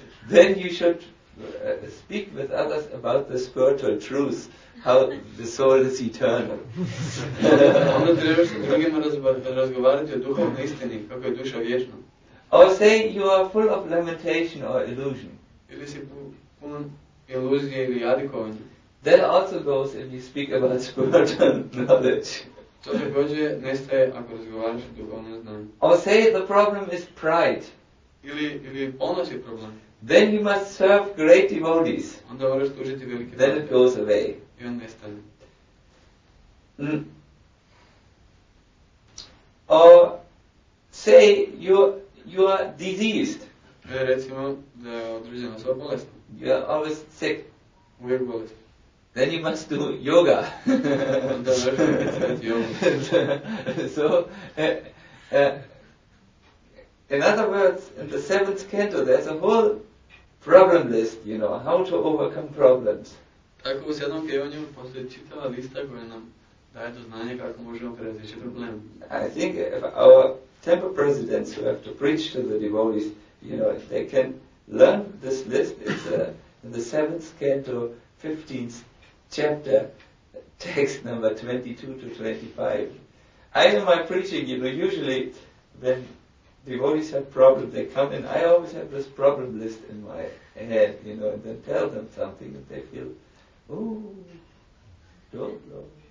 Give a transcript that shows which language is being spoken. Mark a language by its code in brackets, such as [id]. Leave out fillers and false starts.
[en] Then you should speak with others about the spiritual truth, how the soul is eternal. [bs] Onda trebaš sa drugima razgovarati o duhovnoj istini, kako je duša vječna. [en] Or say you are full of lamentation or illusion. [bs] Ili si pun iluzije ili jadikovanja. [en] That also goes if you speak about spiritual knowledge. [bs] To takođe nestaje ako razgovaraš o duhovnom znanju. [en] Or say the problem is pride. [bs] Ili ponos je problem. [en] Then you must serve great devotees. [bs] Onda moraš služiti velike. [en] Then it goes away. [bs] I on nestane. [en] Or say you are diseased. [bs] Recimo da je određena sva bolest. [en] You are always sick. [bs] Uvijek bolest. [en] Then you must do yoga. So, in other words, in the seventh canto, there's a whole problem list, you know, how to overcome problems. [bs] Tako u sedmom pjevanju postoji čitava lista koja nam daje do znanja kako možemo prevazići problem. [en] I think if our temple presidents who have to preach to the devotees, you know, if they can learn this list, it's in the seventh canto, 15th chapter, text number 22-25. I in my preaching, you know, usually when devotees have problems, they come in, I always have this problem list in my head, you know, and then tell them something and they feel, ooh, don't know.